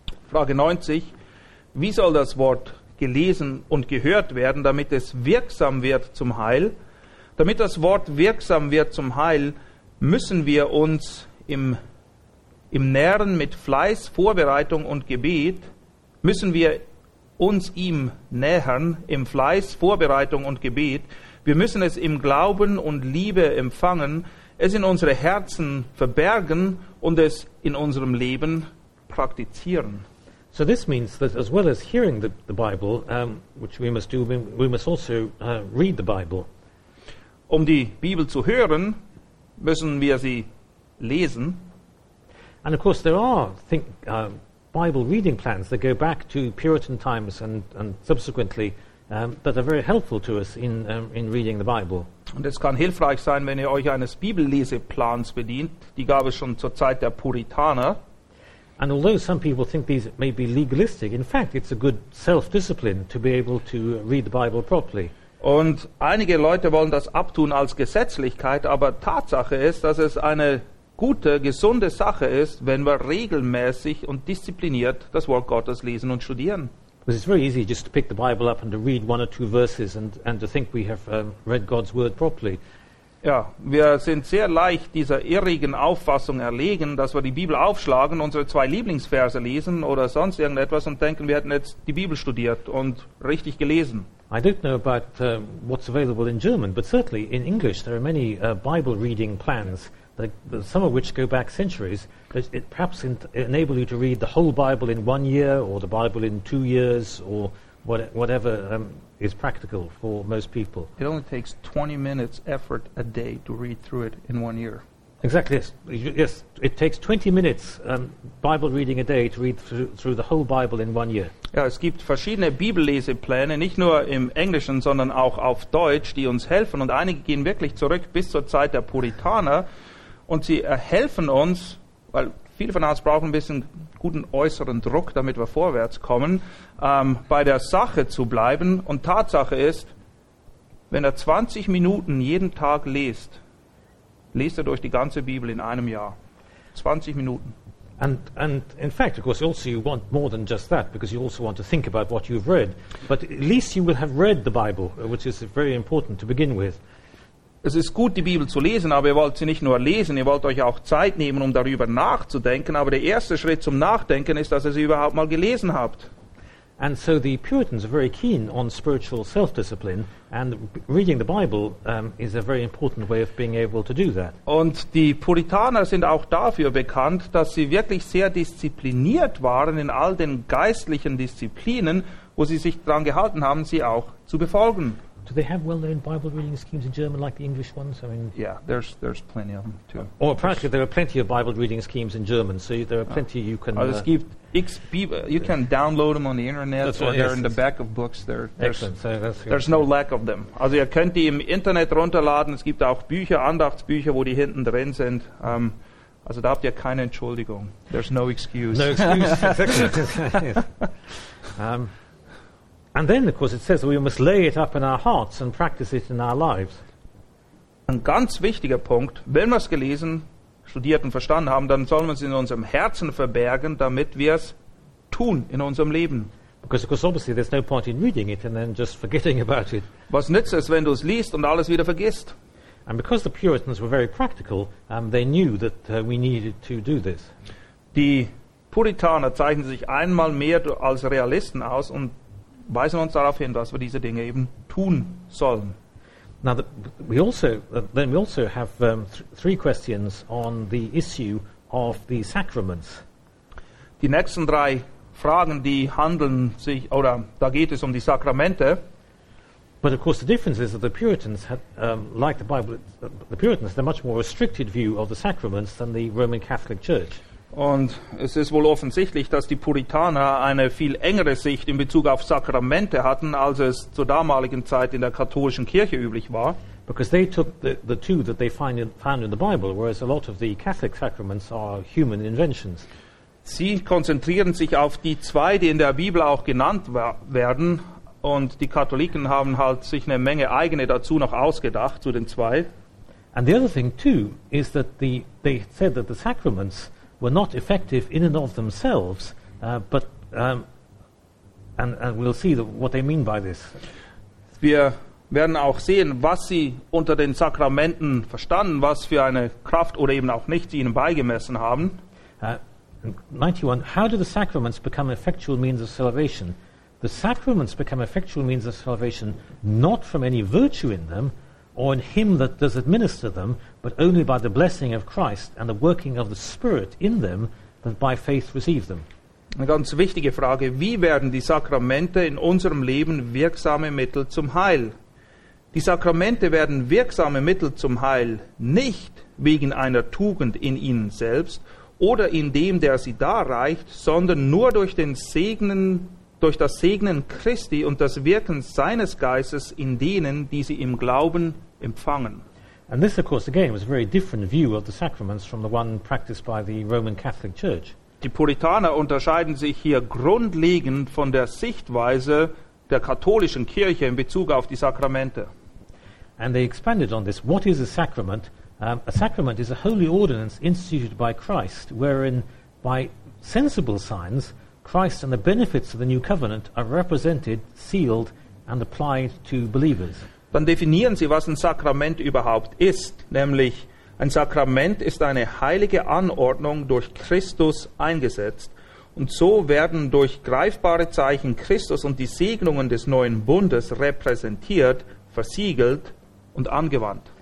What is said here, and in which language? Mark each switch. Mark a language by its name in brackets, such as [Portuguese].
[German] Frage 90. Wie soll das Wort gelesen und gehört werden, damit es wirksam wird zum Heil? Damit das Wort wirksam wird zum Heil, müssen wir uns im Nähren mit Fleiß, Vorbereitung und Gebet, müssen wir uns ihm nähern im Fleiß, Vorbereitung und Gebet. Wir müssen es im Glauben und Liebe empfangen, es in unsere Herzen verbergen und es in unserem Leben praktizieren. [English] So this means that as well as hearing the Bible, which we must do, we must also read the Bible. [German] Um die Bibel zu hören, müssen wir sie lesen. [English] And of course there are Bible reading plans that go back to Puritan times and subsequently that are very helpful to us in reading the Bible. [German] Und es kann hilfreich sein, wenn ihr euch eines Bibelleseplans bedient. Die gab es schon zur Zeit der Puritaner. [English] And although some people think these may be legalistic, in fact it's a good self-discipline to be able to read the Bible properly. [German] Und einige Leute wollen das abtun als Gesetzlichkeit, aber Tatsache ist, dass es eine gute, gesunde Sache ist, wenn wir regelmäßig und diszipliniert das Wort Gottes lesen und studieren. [English] Because it's very easy just to pick the Bible up and to read one or two verses and to think we have read God's word properly. [German] Ja, wir sind sehr leicht dieser irrigen Auffassung erlegen, dass wir die Bibel aufschlagen, unsere zwei Lieblingsverse lesen oder sonst irgendetwas und denken, wir hätten jetzt die Bibel studiert und richtig gelesen. [English] I don't know about what's available in German, but certainly in English there are many Bible reading plans, some of which go back centuries, that it perhaps enable you to read the whole Bible in 1 year or the Bible in 2 years or whatever is practical for most people. It only takes 20 minutes effort a day to read through it in 1 year. Exactly, yes. It takes 20 minutes Bible reading a day to read through the whole Bible in 1 year. [German] Ja, es gibt verschiedene Bibellesepläne, nicht nur im Englischen, sondern auch auf Deutsch, die uns helfen. Und einige gehen wirklich zurück bis zur Zeit der Puritaner. Und sie helfen uns, weil viele von uns brauchen ein bisschen guten äußeren Druck, damit wir vorwärts kommen, bei der Sache zu bleiben. Und Tatsache ist, wenn er 20 Minuten jeden Tag liest, liest er durch die ganze Bibel in einem Jahr. 20 Minuten. [English] And in fact, of course, also you want more than just that, because you also want to think about what you've read. But at least you will have read the Bible, which is very important to begin with. [German] Es ist gut, die Bibel zu lesen, aber ihr wollt sie nicht nur lesen, ihr wollt euch auch Zeit nehmen, um darüber nachzudenken. Aber der erste Schritt zum Nachdenken ist, dass ihr sie überhaupt mal gelesen habt. [English] And so the Puritans are very keen on spiritual self-discipline, and reading the Bible is a very important way of being able to do that. [German] Und die Puritaner sind auch dafür bekannt, dass sie wirklich sehr diszipliniert waren in all den geistlichen Disziplinen, wo sie sich dran gehalten haben, sie auch zu befolgen. [English] Do they have well-known Bible reading schemes in German like the English ones? I mean, yeah, there's plenty of them too. Or apparently there are plenty of Bible reading schemes in German, so there are plenty you can. [German] Also es gibt X Bibel. [English] You can download them on the internet, or they're in the back of books. There's no lack of them. [German] Also ihr könnt die im Internet runterladen. Es gibt auch Bücher, Andachtsbücher, wo die hinten drin sind. Also da habt ihr keine Entschuldigung. [English] There's no excuse. No excuse. Exactly. And then, of course, it says we must lay it up in our hearts and practice it in our lives. [German] Ein ganz wichtiger Punkt, wenn wir es gelesen, studiert und verstanden haben, dann sollen wir es in unserem Herzen verbergen, damit wir es tun in unserem Leben. [English] Because, of course, obviously there's no point in reading it and then just forgetting about it. [German] Was nützt es, wenn du es liest und alles wieder vergisst? [English] And because the Puritans were very practical, they knew that we needed to do this. [German] Die Puritaner zeichnen sich einmal mehr als Realisten aus und weisen uns darauf hin, dass wir diese Dinge eben tun sollen. [English] Now we also have three questions on the issue of the sacraments. [German] Die nächsten drei Fragen, die handeln sich, oder da geht es um die Sakramente. [English] But of course the difference is that the Puritans had, like the Bible, the Puritans had a much more restricted view of the sacraments than the Roman Catholic Church. [German] Und es ist wohl offensichtlich, dass die Puritaner eine viel engere Sicht in Bezug auf Sakramente hatten, als es zur damaligen Zeit in der katholischen Kirche üblich war. [English] Because they took the two that they found in the Bible, whereas a lot of the Catholic sacraments are human inventions. [German] Sie konzentrieren sich auf die zwei, die in der Bibel auch genannt werden, Und die Katholiken haben halt sich eine Menge eigene dazu noch ausgedacht, zu den zwei. [English] And the other thing too is that they said that the sacraments were not effective in and of themselves, but we'll see what they mean by this. [German] Wir werden auch sehen, was sie unter den Sakramenten verstanden, was für eine Kraft oder eben auch nicht sie ihnen beigemessen haben. [English] 91. How do the sacraments become effectual means of salvation? The sacraments become effectual means of salvation not from any virtue in them or in him that does administer them, but only by the blessing of Christ and the working of the Spirit in them that by faith receive them. [German] Eine ganz wichtige Frage: Wie werden die Sakramente in unserem Leben wirksame Mittel zum Heil? Die Sakramente werden wirksame Mittel zum Heil nicht wegen einer Tugend in ihnen selbst oder in dem, der sie darreicht, sondern nur durch den Segnen, durch das Segnen Christi und das Wirken seines Geistes in denen, die sie im Glauben empfangen. [English] And this, of course, again was a very different view of the sacraments from the one practiced by the Roman Catholic Church. [German] Die Puritaner unterscheiden sich hier grundlegend von der Sichtweise der katholischen Kirche in Bezug auf die Sakramente. [English] And they expanded on this. What is a sacrament? A sacrament is a holy ordinance instituted by Christ, wherein by sensible signs Christ and the benefits of the new covenant are represented, sealed and applied to believers. [German] Dann definieren sie, was ein Sakrament überhaupt ist, nämlich: Ein Sakrament ist eine heilige Anordnung durch Christus eingesetzt. Und so werden durch greifbare Zeichen Christus und die Segnungen des neuen Bundes repräsentiert, versiegelt und angewandt.